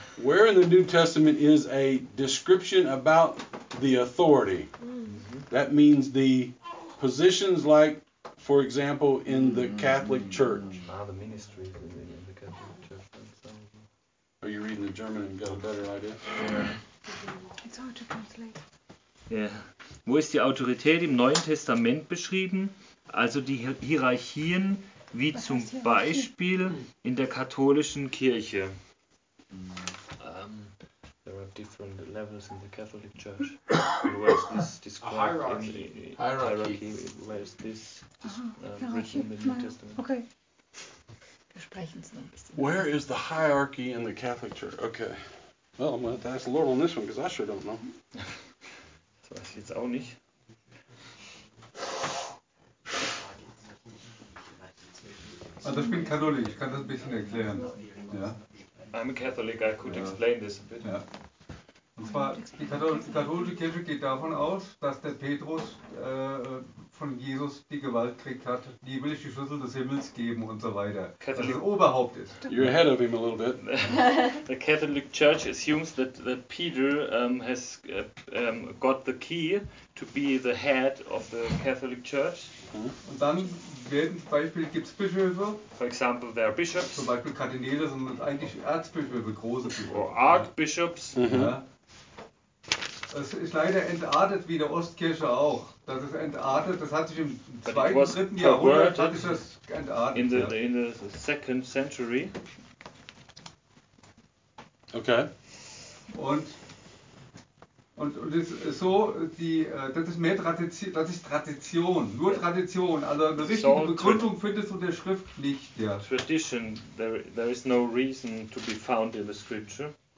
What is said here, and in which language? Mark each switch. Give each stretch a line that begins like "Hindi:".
English: Where in the New Testament is a description about the authority? Mm-hmm. That means the positions, like, for example, in the Catholic Church. Ah, the ministry in the Catholic Church. Are you reading the German and got a better idea? It's hard to translate. Yeah.
German: Wo ist die Autorität im Neuen Testament beschrieben? Also die Hierarchien. Wie zum Beispiel in der katholischen Kirche.
English: There are different levels in the Catholic Church. Where is this described? Hierarchy. Where is this written in the New Testament?
German: Okay. Wir sprechen es noch ein bisschen.
English: Where is the hierarchy in the Catholic Church? Okay. Well, I'm going to have to ask the Lord on this one, because I sure don't know.
German: Das weiß ich jetzt auch nicht. Also ich bin Katholik, ich kann das ein bisschen erklären. Ja.
English: I'm a Catholic, I could explain this a bit.
German: Ja. Und zwar, die katholische Kirche geht davon aus, dass der Petrus von Jesus die Gewalt gekriegt hat, die will ich die Schlüssel des Himmels geben und so weiter.
English: Catholic.
German: Dass er Oberhaupt ist.
English: You're ahead of him a little bit. The Catholic Church assumes that Peter has got the key to be the head of the Catholic Church.
German: Und dann werden zum Beispiel gibt es Bischöfe.
English: For example, there are bishops.
German: Zum Beispiel Kardinäle sind eigentlich Erzbischöfe, große Bischöfe.
English: Or Archbishops.
German: Es ist leider entartet wie der Ostkirche auch. Das ist entartet. Das hat sich im zweiten, dritten Jahrhundert hat sich das entartet.
English: In the second century. Okay.
German: Und es ist so, das ist Tradition, nur Tradition. Also eine richtige Begründung findest du in der Schrift nicht. Ja.
English: Tradition, there is no reason to be found in the scripture.